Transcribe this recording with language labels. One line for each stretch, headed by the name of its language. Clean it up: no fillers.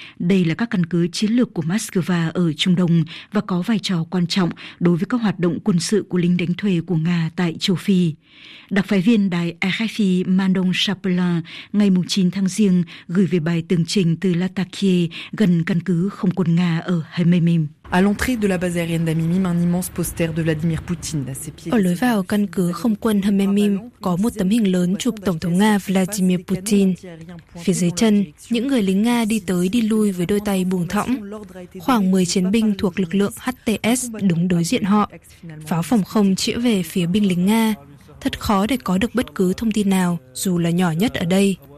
Vietnamese: Đây là các căn cứ chiến lược của Moscow ở Trung Đông và có vai trò quan trọng đối với các hoạt động quân sự của lính đánh thuê của Nga tại châu Phi. Đặc phái viên đài RFI Manon Chapelin ngày 9 tháng Giêng gửi về bài tường trình từ Latakia gần căn cứ không quân Nga ở Hmeymim.
French: À l'entrée de la base aérienne d'Amimim, un immense poster de Vladimir Poutine à ses pieds.
Vietnamese: Ở lối vào căn cứ không quân Hamemim có một tấm hình lớn chụp Tổng thống Nga Vladimir Putin. Phía dưới chân, những người lính Nga đi tới đi lui với đôi tay buông thõng. Khoảng 10 chiến binh thuộc lực lượng HTS đứng đối diện họ. Pháo phòng không chĩa về phía binh lính Nga. Thật khó để có được bất cứ thông tin nào, dù là nhỏ nhất ở đây.